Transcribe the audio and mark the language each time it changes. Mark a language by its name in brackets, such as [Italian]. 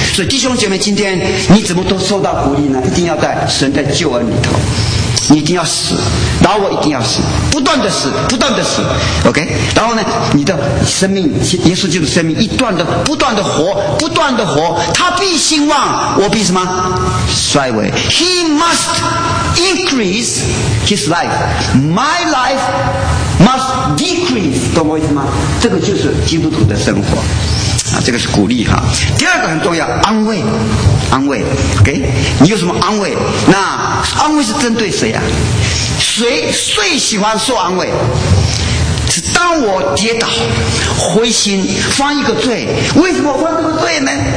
[Chinese] 所以弟兄姐妹，今天你怎么都受到鼓励呢？一定要在神的救恩里头。你一定要死，然后我一定要死，不断的死，不断的死 OK， 然后呢，你的生命，耶稣基督的生命，一段的不断的活，不断的活，他必兴旺，我必什么衰微。 [English] He must increase his life, my life must decrease， [Chinese] 懂我意思吗？这个就是基督徒的生活啊，这个是鼓励哈。第二个很重要，安慰 OK， 你有什么安慰？那安慰是针对谁啊？谁最喜欢受安慰？是当我跌倒灰心犯一个罪，为什么犯这个罪呢？